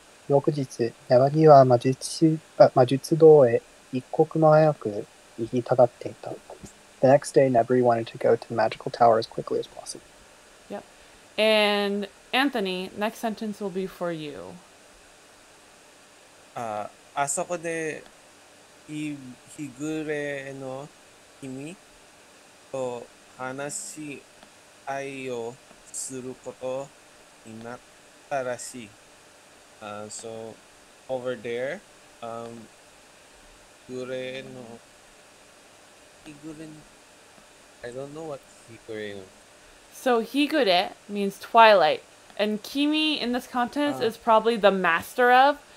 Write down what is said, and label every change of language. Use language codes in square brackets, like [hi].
[ja] 翌日、ネバディは魔術堂へ一刻も早く行きたがっていた。 [en] The next day, Nebri wanted to go to the magical tower as quickly as possible. Yep. And Anthony, next sentence will be for you. [ja] あそこで日暮れの君と話し合いをすることになったらしい。 [en] So over there, Higure no, I don't know what Higure is. So Higure means twilight, and Kimi in this context is probably the master of.